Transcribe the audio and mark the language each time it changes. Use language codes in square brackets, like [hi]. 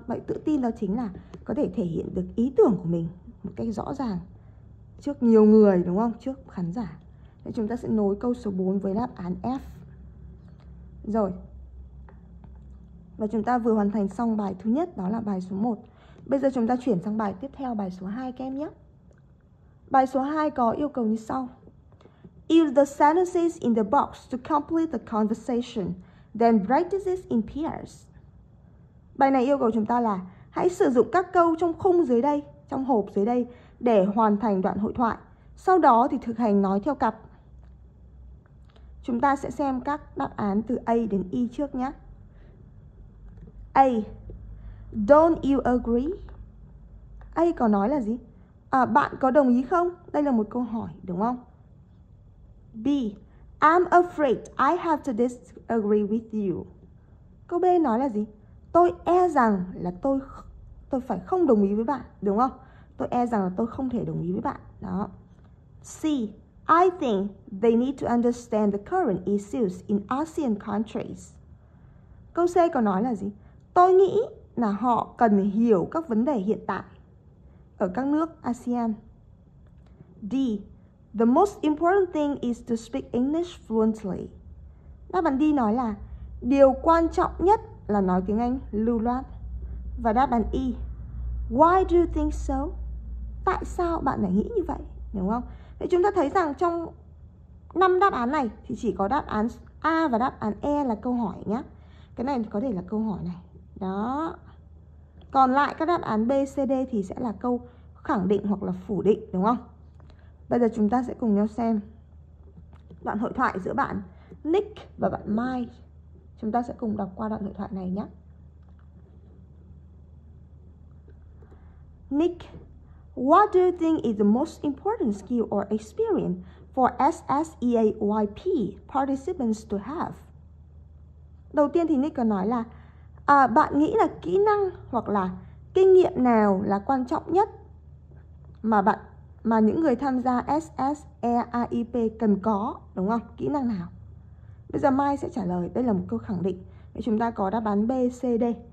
[vi] Vậy tự tin đó chính là có thể thể hiện được ý tưởng của mình một cách rõ ràng trước nhiều người, đúng không? Trước khán giả. Vậy chúng ta sẽ nối câu số 4 với đáp án F. Rồi. Và chúng ta vừa hoàn thành xong bài thứ nhất, đó là bài số 1. Bây giờ chúng ta chuyển sang bài tiếp theo, bài số 2 các em nhé. Bài số 2 có yêu cầu như sau. [en] Use the sentences in the box to complete the conversation, then write this in pairs. [vi] Bài này yêu cầu chúng ta là hãy sử dụng các câu trong khung dưới đây, trong hộp dưới đây để hoàn thành đoạn hội thoại. Sau đó thì thực hành nói theo cặp. Chúng ta sẽ xem các đáp án từ A đến E trước nhé. A. [en] Don't you agree? [vi] A có nói là gì? À, bạn có đồng ý không? Đây là một câu hỏi, đúng không? B. [en] I'm afraid I have to disagree with you. [vi] Câu B nói là gì? Tôi e rằng là tôi phải không đồng ý với bạn, đúng không? Tôi e rằng là tôi không thể đồng ý với bạn. Đó. C. [en] I think they need to understand the current issues in ASEAN countries. [vi] Câu C có nói là gì? Tôi nghĩ là họ cần hiểu các vấn đề hiện tại ở các nước ASEAN. D. [en] The most important thing is to speak English fluently. [vi] Đáp án D nói là điều quan trọng nhất là nói tiếng Anh lưu loát. Và đáp án E. [en] Why do you think so? [vi] Tại sao bạn lại nghĩ như vậy? Đúng không? Thế chúng ta thấy rằng trong 5 đáp án này thì chỉ có đáp án A và đáp án E là câu hỏi nhé. Cái này có thể là câu hỏi này. Đó. Còn lại các đáp án B, C, D thì sẽ là câu khẳng định hoặc là phủ định, đúng không? Bây giờ chúng ta sẽ cùng nhau xem đoạn hội thoại giữa bạn Nick và bạn Mai. Chúng ta sẽ cùng đọc qua đoạn hội thoại này nhé. [en] Nick, what do you think is the most important skill or experience for SSEAYP participants to have? [vi] Đầu tiên thì Nick có nói là bạn nghĩ là kỹ năng hoặc là kinh nghiệm nào là quan trọng nhất mà những người tham gia SSEAIP cần có, đúng không? Kỹ năng nào? Bây giờ Mai sẽ trả lời, đây là một câu khẳng định. Vậy chúng ta có đáp án B, C, D.